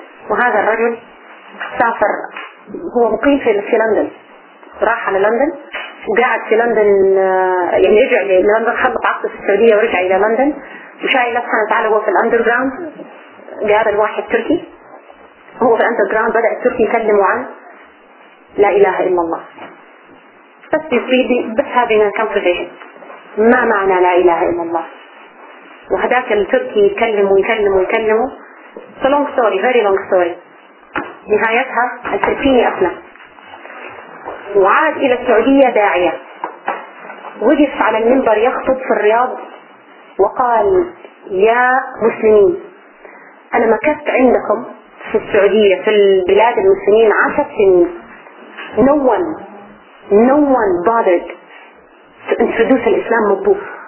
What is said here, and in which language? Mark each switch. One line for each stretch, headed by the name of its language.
Arabic: وهذا الرجل سافر هو مقيم في لندن راح على لندن وقاعد في لندن يعني رجع لندن خبط عقد في السعودية ورجع إلى لندن وشايل نفسه تعالى هو في الأندر جراوند قاعد الواحد تركي هو في الأندر جراوند بدأ التركي يكلمه عن لا إله إلا الله بس يفيدي بس هذه الكونفرسيشن ما معنى لا إله إلا الله وهذاك التركي يتكلم ويكلم ويكلم.
English: So long story, very long story.
Arabic: نهايتها التركيني أسلم وعاد إلى السعودية داعية، وقف على المنبر يخطب في الرياض وقال: يا مسلمين، أنا مكثت عندكم في السعودية في البلاد المسلمين 10 سنين.
English: No one bothered to introduce
Arabic: الإسلام مبوف.